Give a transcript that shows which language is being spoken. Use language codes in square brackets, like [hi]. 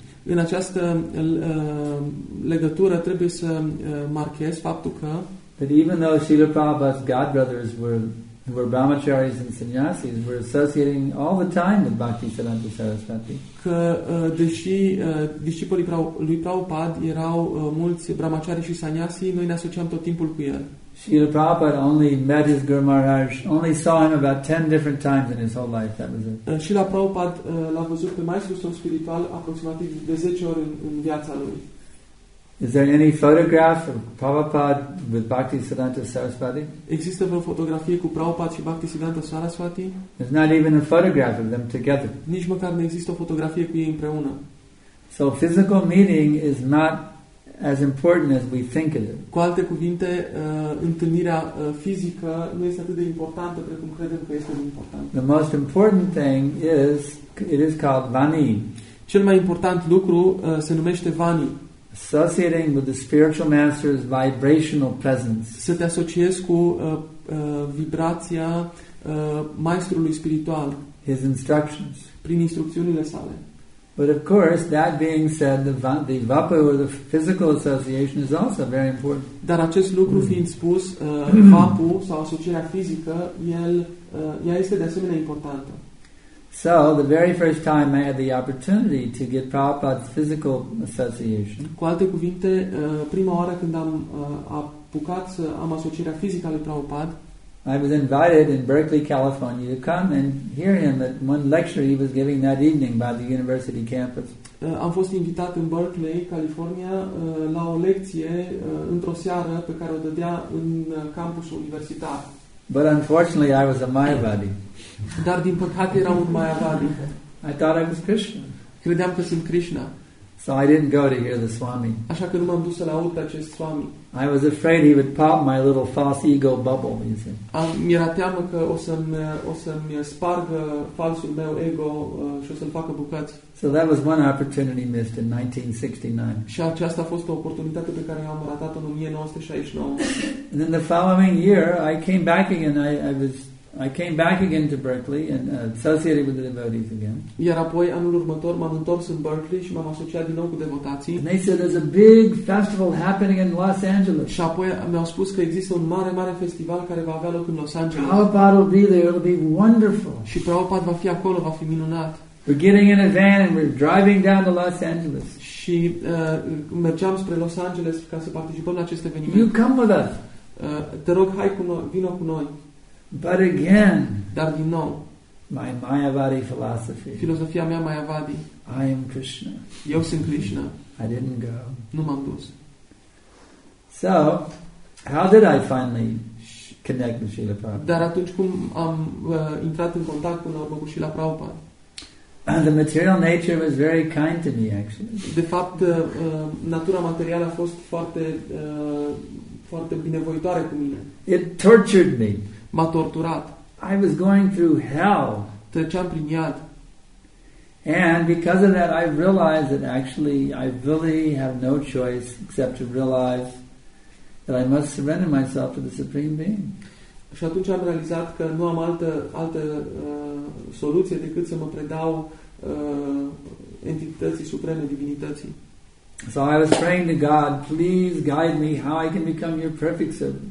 [ro] În această legătură trebuie să marchez faptul că [en] that even though Srila Prabhupada's godbrothers were brahmacharis and sannyasis, were associating all the time with Bhakti Siddhanta Sarasvati. [ro] Că deși discipolii lui Prabhupada erau mulți brahmachari și sannyasi, noi ne asociam tot timpul cu el. [en] Srila Prabhupada only met his Guru Maharaj, only saw him about 10 different times in his whole life. That was it. [ro] Srila Prabhupada l-a văzut pe maestrul său spiritual aproximativ de 10 ori în viața lui. [en] Is there any photograph of Prabhupada with Bhakti Siddhanta Sarasvati? [ro] Există vreo fotografie cu Prabhupada și Bhakti Siddhanta Sarasvati? [en] There's not even a photograph of them together. [ro] Nici măcar nu există o fotografie cu ei împreună. [en] So physical meeting is not as important as we think it is. [ro] Cu alte cuvinte, întâlnirea fizică nu este atât de importantă precum credem că este importantă. [en] The most important thing is it is called vani. [ro] Cel mai important lucru se numește vani. [en] Associating with the spiritual master's vibrational presence. [ro] Să te asociezi cu vibrația maestrului spiritual. [en] His instructions. [ro] Prin instrucțiunile sale. [en] But of course, that being said, the vapu or the physical association is also very important. [ro] Dar acest lucru fiind spus, vapu sau asocierea fizică, ea este de asemenea importantă. [en] So the very first time I had the opportunity to get Prabhupada's physical association. [ro] Cu alte cuvinte, prima oară când am apucat să am asocierea fizică a lui Prabhupada, [en] I was invited in Berkeley, California to come and hear him at one lecture he was giving that evening by the university campus. [ro] Am fost invitat în Berkeley, California, la o lecție într-o seară pe care o dădea în campusul universitar. [en] But unfortunately, I was a Mayavadi. [ro] Dar din păcate era un Mayavadi. [en] I thought I was Krishna. [ro] Credeam că sunt Krishna. [en] So I didn't go to hear the Swami. [ro] Așa că nu m-am dus să-l aud pe acest Swami. [en] I was afraid he would pop my little false ego bubble, you see. [ro] Mi-era teamă că o să-mi spargă falsul meu ego și o să-l facă bucăți. [en] So that was one opportunity missed in 1969. [ro] Și aceasta a fost o oportunitate pe care eu am ratat-o în 1969. [en] And then the following year, I came back again. I came back again to Berkeley and associated with the devotees again. [ro] Iar apoi anul următor m-am întors în Berkeley și m-am asociat din nou cu devotații. [en] And they said there's a big festival happening in Los Angeles. [ro] Și apoi mi-au spus că există un mare festival care va avea loc în Los Angeles. [en] Prabhupada will be there. It'll be wonderful. [ro] Și Prabhupada va fi acolo, va fi minunat. [en] We're getting in a van and we're driving down to Los Angeles. [ro] Și mergeam spre Los Angeles ca să participăm la acest eveniment. [en] You come with us. [ro] Te rog, hai cu noi, vino cu noi. [en] But again, [ro] dar din nou, [en] my Mayavadi philosophy. [ro] Filosofia mea Mayavadi. [en] I am Krishna. [ro] Eu sunt Krishna. [en] I didn't go. [ro] Nu m-am dus. [en] So, how did I finally connect with Srila Prabhupada? [ro] Dar atunci cum am intrat în contact cu Srila Prabhupada? [en] And the material nature was very kind to me, actually. [ro] De fapt, natura materială a fost foarte binevoitoare cu mine. [en] It tortured me. [ro] M-a torturat. [en] I was going through hell. [ro] Treceam prin iad. [en] And because of that I realized that actually I really have no choice except to realize that I must surrender myself to the Supreme Being. [ro] Și atunci am realizat că nu am altă soluție decât să mă predau entității supreme, divinității. [en] So I was praying to God, please guide me how I can become your perfect servant.